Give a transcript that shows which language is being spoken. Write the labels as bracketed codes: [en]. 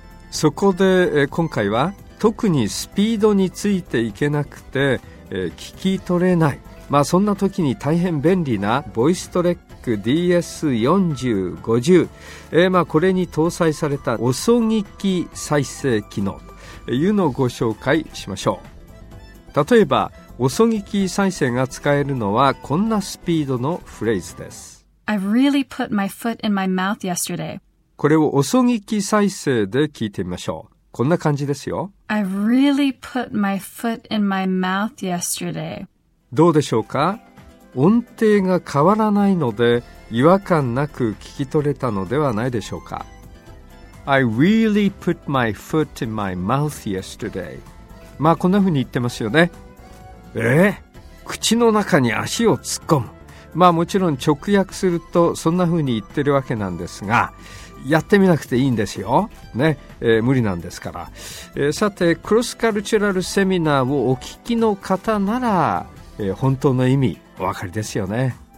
[ja] そこで今回は特にスピードについていけなくて聞き取れない、まあ、そんな時に大変便利なボイストレック DS4050、まあこれに搭載された遅聞き再生機能というのをご紹介しましょう。例えば遅聞き再生が使えるのはこんなスピードのフレーズです。 [en] I've really put my foot in my mouth yesterday。 [ja] これを遅聞き再生で聞いてみましょう。こんな感じですよ。 [en] I really put my foot in my mouth yesterday. [ja] どうでしょうか。音程が変わらないので違和感なく聞き取れたのではないでしょうか。 [en] I really put my foot in my mouth yesterday. [ja] まあこんなふうに言ってますよね。口の中に足を突っ込む。まあもちろん直訳するとそんなふうに言ってるわけなんですが、やってみなくていいんですよ、ね、無理なんですから、さてクロスカルチュラルセミナーをお聞きの方なら、本当の意味お分かりですよね。